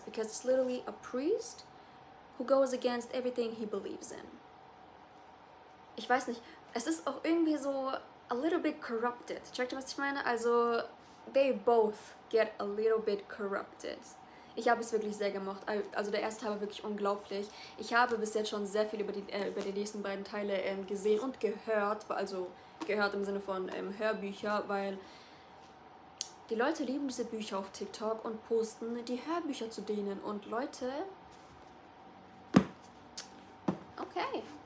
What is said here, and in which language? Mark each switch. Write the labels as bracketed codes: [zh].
[en] Because it's literally a priest who goes against everything he believes in. [de] Ich weiß nicht. Es ist auch irgendwie [en] so a little bit corrupted. [de] Checkt ihr, was ich meine? [en] Also, they both get a little bit corrupted. [de] Ich habe es wirklich sehr gemocht. Also der erste Teil war wirklich unglaublich. Ich habe bis jetzt schon sehr viel über die nächsten beiden Teile gesehen und gehört. Also gehört im Sinne von Hörbücher, weil die Leute lieben diese Bücher auf TikTok und posten die Hörbücher zu denen. Und Leute, okay.